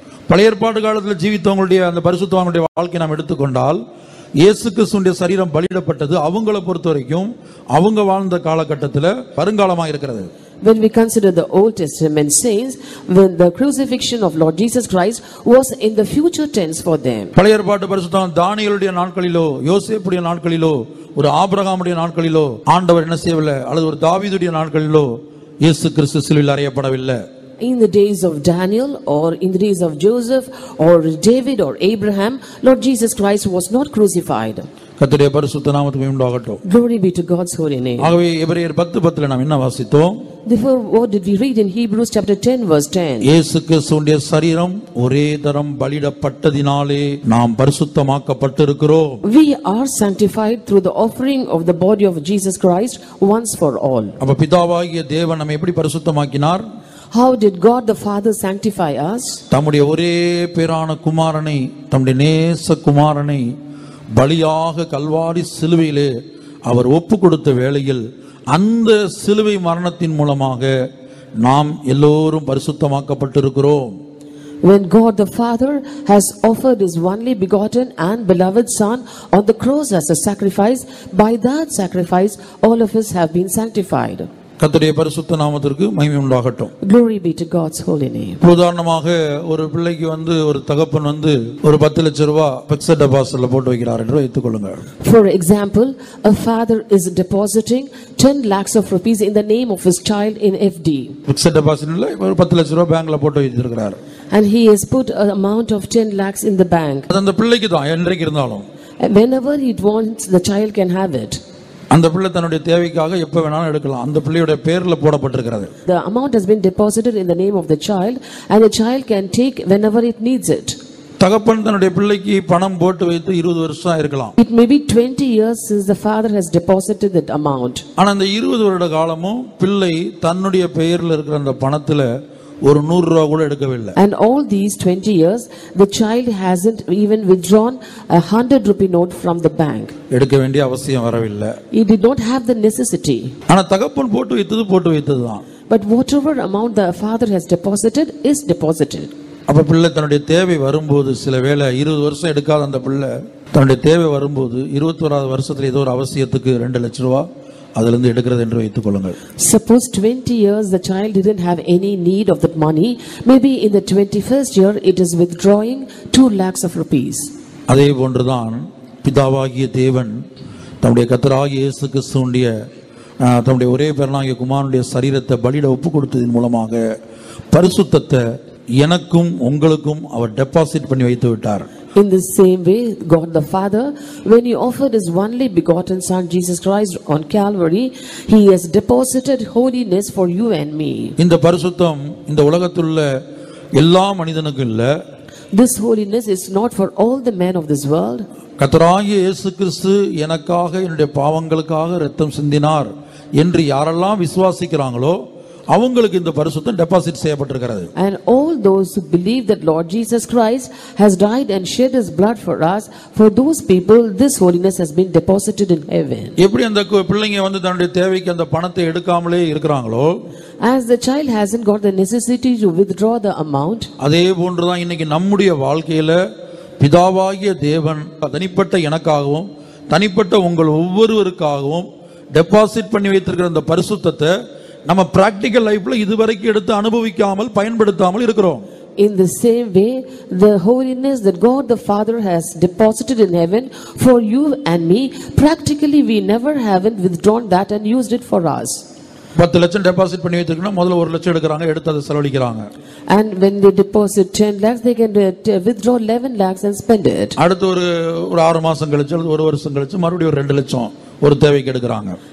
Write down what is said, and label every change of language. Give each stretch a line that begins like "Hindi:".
Tamil: பழைய ஏற்பாடு காலத்தில் ஜீவித்தவங்களுடைய அந்த பரிசுத்தவான்களுடைய வாழ்க்கையை நாம் எடுத்துக்கொண்டால் இயேசு கிறிஸ்துவின் சரீரம் பலியிடப்பட்டது அவங்களை பொறுத்த வரைக்கும் அவங்க வாழ்ந்த காலகட்டத்தில் வருங்காலமாக இருக்கிறது.
English: When we consider the Old Testament saints, when the crucifixion of Lord Jesus Christ was in the future tense for them.
Tamil: பழைய ஏற்பாட்டு பரிசுத்தம் தானியேலுடைய நாட்களிலோ யோசேப்புடைய நாட்களிலோ ஒரு ஆபிரகாமுடைய நாட்களிலோ ஆண்டவர் என்ன செய்யவில்லை அல்லது ஒரு தாவீதுடைய நாட்களிலோ இயேசு கிறிஸ்து சிலுவையில் அறையப்படவில்லை.
English: In the days of Daniel or in the days of Joseph or David or Abraham, Lord Jesus Christ was not crucified.
Tamil: கர்த்தருடைய பரிசுத்த நாமத்துக்கு மகிமையுண்டாகட்டும்.
English: Glory be to God's holy name.
Tamil: ஆகவே எபிரேயர் 10:10 நாம் என்ன வாசித்தோம்?
English: Therefore, what did we read in Hebrews chapter 10 verse 10?
Tamil: இயேசு கிறிஸ்துவின் சரீரம் ஒரே தரம் பலியிடப்பட்டதினாலே நாம் பரிசுத்தமாக்கப்பட்டிருக்கிறோம்.
English: We are sanctified through the offering of the body of Jesus Christ once for all.
Tamil: அப்ப பிதாவாகிய தேவன் நம்மை எப்படி பரிசுத்தமாக்கினார்?
English: How did God the Father sanctify us?
Tamil: தம்முடைய ஒரே பேரான குமாரனை தம்முடைய நேச குமாரனை பலியாக கல்வாரி சிலுவையிலே அவர் ஒப்பு கொடுத்த வேளையில் அந்த சிலுவை மரணத்தின் மூலமாக நாம் எல்லோரும் பரிசுத்தமாக்கப்பட்டிருக்கிறோம்.
English: When God the Father has offered his only begotten and beloved son on the cross as a sacrifice, by that sacrifice all of us have been sanctified.
Tamil: கர்த்தருடைய பரிசுத்த நாமத்திற்கு மகிமை உண்டாகட்டும்.
English: Glory be to God's holy name.
Tamil: உதாரணமாக ஒரு பிள்ளைக்கு வந்து ஒரு தகப்பன் வந்து ஒரு 10 லட்சம் ரூபாய் பிக்ஸட் டெபாசிட்ல போட்டு வைக்கிறார் என்று வைத்துக் கொள்ளுங்கள்.
English: For example, a father is depositing 10 lakhs of rupees in the name of his child in FD.
Tamil: Fixed டெபாசிட்ல ஒரு 10 லட்சம் ரூபாய் பேங்க்ல போட்டு வச்சிருக்கிறார்.
English: And he has put an amount of 10 lakhs in the bank.
Tamil: அது அந்த பிள்ளைக்கு தான் என்றைக்கு இருந்தாலும்.
English: Whenever it wants, the child can have it.
Tamil: அந்த பிள்ளை தன்னுடைய தேவைக்காக எப்ப வேணாலும் எடுக்கலாம். அந்த பிள்ளையுடைய பேர்ல போடப்பட்டிருக்கிறது.
English: The amount has been deposited in the name of the child and the child can take whenever it needs it.
Tamil: தகப்பன் தன்னுடைய பிள்ளைக்கு பணம் போட்டு வைத்து 20 வருஷம் இருக்கலாம்.
English: It may be 20 years since the father has deposited that amount.
Tamil: ஆனா அந்த 20 வருட காலமும் பிள்ளை தன்னுடைய பெயர்ல இருக்கிற அந்த பணத்துல ஒரு 100 ரூபாய் கூட எடுக்கவில்லை.
English: And all these 20 years the child hasn't even withdrawn a 100 rupee note from the bank.
Tamil: எடுக்க வேண்டிய அவசியம் வரவில்லை.
English: He did not have the necessity.
Tamil: ஆனா தகப்பன் போட்டு வைத்தது தான்.
English: But whatever amount the father has deposited is deposited.
Tamil: அப்ப பிள்ளை தன்னுடைய தேவை வரும்போது சில வேளை 20 வருஷம் எடுக்காத அந்த பிள்ளை தன்னுடைய தேவை வரும்போது 21வது வருஷத்துல ஏதோ ஒரு அவசியத்துக்கு 2 லட்சம் ரூபாய் அதல இருந்து எடுக்கிறது என்று வைத்துக் கொள்ளுங்கள்.
English: Suppose 20 years the child didn't have any need of that money, maybe in the 21st year it is withdrawing 2 lakhs of rupees.
Tamil: அதே போன்று தான் பிதாவாகிய தேவன் தம்முடைய கர்த்தராகிய இயேசு கிறிஸ்துவின் தம்முடைய ஒரே பிறனாகிய குமாரனுடைய சரீரத்தை பலியிட ஒப்பு கொடுத்ததின் மூலமாக பரிசுத்தத்தை எனக்கும் உங்களுக்கும் அவர் டெபாசிட் பண்ணி வைத்து விட்டார்.
English: In the same way God the Father, when he offered his only begotten son Jesus Christ on Calvary, he has deposited holiness for you and me.
Tamil: இந்த பரிசுத்தம் இந்த உலகத்துள்ள எல்லா மனிதனுக்கும் இல்ல.
English: This holiness is not for all the men of this world.
Tamil: கர்த்தராகிய இயேசு கிறிஸ்து எனக்காக என்னுடைய பாவங்களுக்காக இரத்தம் சிந்தினார் என்று யாரெல்லாம் விசுவாசிக்கிறாங்களோ அவங்களுக்கு இந்த பரிசுத்தம் டெபாசிட் செய்யப்பட்டிருக்கிறது.
English: And all those who believe that Lord Jesus Christ has died and shed his blood for us, for those people this holiness has been deposited in heaven.
Tamil: எப்படி அந்த பிள்ளைங்க வந்து தன்னுடைய தேவைக்கு அந்த பணத்தை எடுக்காமலே இருக்கறங்களோ,
English: as the child hasn't got the necessity to withdraw the amount,
Tamil: அதே போன்று தான் இன்னைக்கு நம்முடைய வாழ்க்கையில பிதாவாகிய தேவன் தனிப்பட்ட எனக்காகவும் தனிப்பட்ட உங்கள் ஒவ்வொருவருக்காகவும் டெபாசிட் பண்ணி வைத்திருக்கிற அந்த பரிசுத்தத்தை நம்ம
English: practical லைஃப்ல
Tamil: இதுவரைக்கும் எடுத்து அனுபவிக்காமல் பயன்படுத்தாமல் இருக்கிறோம்.
English: In the same way the holiness that God the Father has deposited in heaven for you and me, practically we never haven't withdrawn that and used it for us.
Tamil: 10 லட்சம் டெபாசிட் பண்ணி வச்சிருக்கனா முதல்ல 1 லட்சம் எடுக்கறாங்க, எடுத்து அதை செலவழிக்கறாங்க.
English: And when they deposit 10 lakhs they can withdraw 11 lakhs and spend it.
Tamil: அடுத்து ஒரு 6 மாசம் கழிச்சு அல்லது 1 வருஷம் கழிச்சு மறுபடியும் 2 லட்சம் ஒரு தேவைக்கு எடுக்கறாங்க.